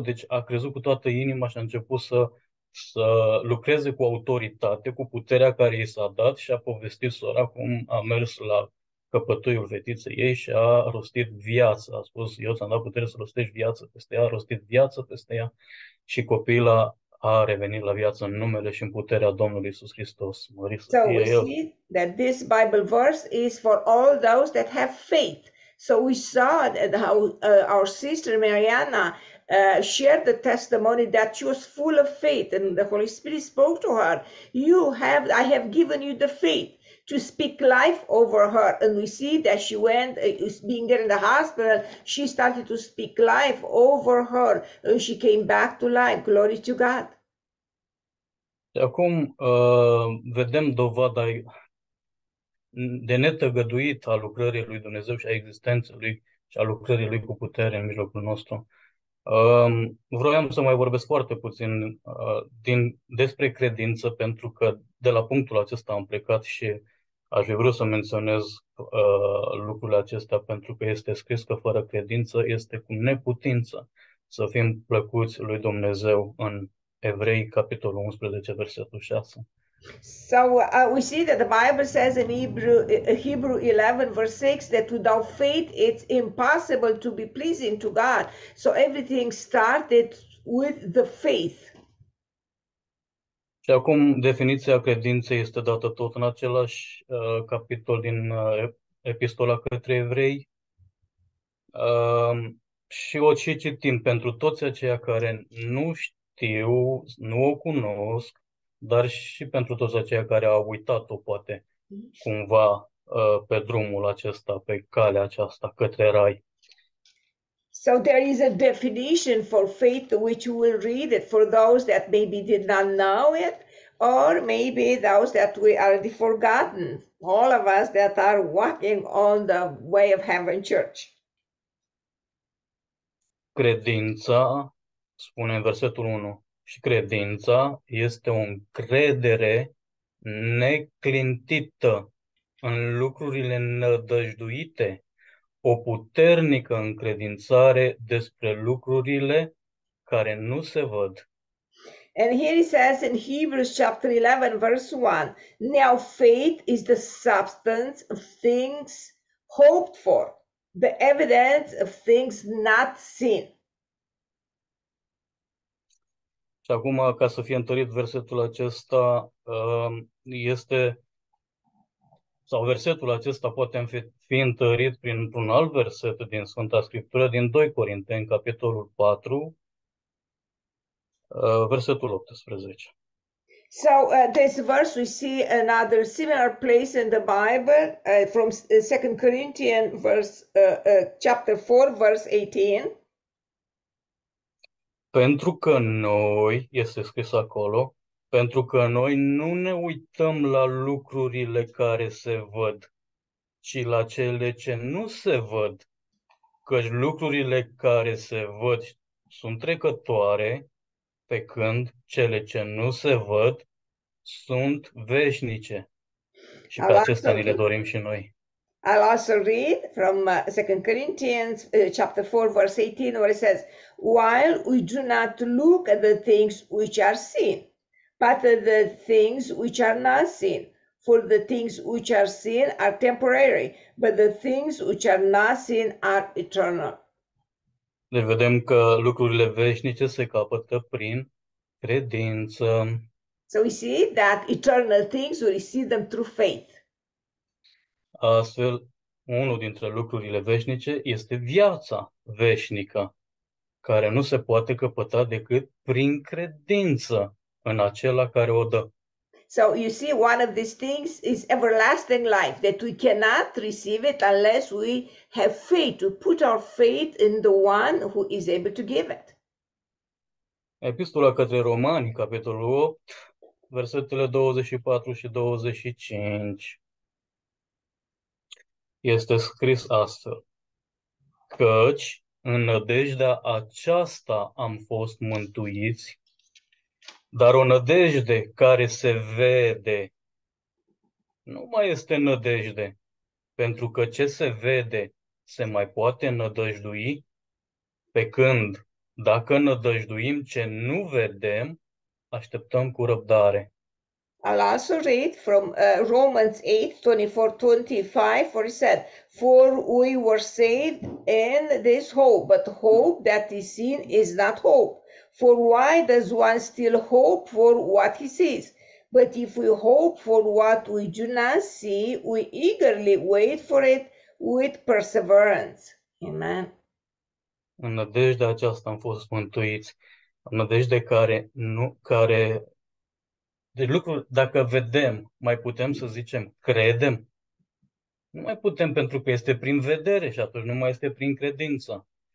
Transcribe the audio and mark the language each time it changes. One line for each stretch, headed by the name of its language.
Romanian: Deci a crezut cu toată inima și a început să lucreze cu autoritate, cu puterea care i s-a dat și a povestit sora cum a mers la căpătuiul fetiței ei și a rostit viață. A spus, eu ți-am dat putere să rostești viață peste ea, a rostit viață peste ea și copila a revenit la viață în numele și în puterea Domnului Iisus Hristos. Mări să
English: So
Romanian: fie
English: we
Romanian: El.
English: See that this Bible verse is for all those that have faith. So we saw that how our sister Mariana shared the testimony that she was full of faith, and the Holy Spirit spoke to her. I have given you the faith to speak life over her. And we see that she went, being there in the hospital, she started to speak life over her, and she came back to life. Glory to God.
Romanian: Acum vedem dovada de netăgăduit a lucrării lui Dumnezeu și a existenței lui și a lucrării lui cu putere în mijlocul nostru. Vroiam să mai vorbesc foarte puțin despre credință, pentru că de la punctul acesta am plecat și aș vrea să menționez lucrurile acestea, pentru că este scris că fără credință este cu neputință să fim plăcuți lui Dumnezeu în Evrei, capitolul 11, versetul 6.
English: So we see that the Bible says in Hebrew 11 verse 6 that without faith it's impossible to be pleasing to God. So everything started with the faith.
Romanian: Și acum definiția credinței este dată tot în același capitol din Epistola către Evrei. Și o și citim pentru toți aceia care nu știu, nu o cunosc, dar și pentru toți aceia care au uitat-o poate cumva pe drumul acesta, pe calea aceasta către rai.
English: So there is a definition for faith which you will read it for those that maybe did not know it, or maybe those that we already forgotten, all of us that are walking on the way of heaven church.
Romanian: Credința, spune în versetul 1. Și credința este o încredere neclintită în lucrurile nădăjduite, o puternică încredințare despre lucrurile care nu se văd.
English: And here he says in Hebrews chapter 11, verse 1, now faith is the substance of things hoped for, the evidence of things not seen.
Romanian: Și acum, ca să fie întărit versetul acesta, este, sau versetul acesta poate fi întărit printr-un alt verset din Sfânta Scriptură, din 2 Corinteni, capitolul 4, versetul 18.
English: So this verse we see another similar place in the Bible from 2 Corinthians verse chapter 4 verse 18.
Romanian: Pentru că noi, este scris acolo, pentru că noi nu ne uităm la lucrurile care se văd, ci la cele ce nu se văd, căci lucrurile care se văd sunt trecătoare, pe când cele ce nu se văd sunt veșnice. Și pe acestea ni le dorim și noi.
English: I'll also read from 2 Corinthians chapter 4, verse 18, where it says, while we do not look at the things which are seen, but at the things which are not seen, for the things which are seen are temporary, but the things which are not seen are eternal.
Romanian: Ne vedem că lucrurile veșnice se capătă prin credință.
English: So we see that eternal things, we receive them through faith.
Romanian: Astfel, unul dintre lucrurile veșnice este viața veșnică, care nu se poate căpăta decât prin credință în acela care o dă.
English: So you see, one of these things is everlasting life, that we cannot receive it unless we have faith, to put our faith in the one who is able to give it.
Romanian: Epistola către Romani, capitolul 8, versetele 24 și 25. Este scris astfel, căci în nădejdea aceasta am fost mântuiți, dar o nădejde care se vede nu mai este nădejde, pentru că ce se vede se mai poate nădăjdui, pe când dacă nădăjduim ce nu vedem, așteptăm cu răbdare.
English: I'll also read from Romans 8:24-25, where he said, for we were saved in this hope, but hope that is seen is not hope. For why does one still hope for what he sees? But if we hope for what we do not see, we eagerly wait for it with perseverance. Amen.
Romanian: În nădejdea aceasta am fost mântuiți. În nădejde care nu, care de lucruri, dacă vedem, mai putem să zicem, credem? Nu mai putem, pentru că este prin vedere și atunci nu mai este prin credință.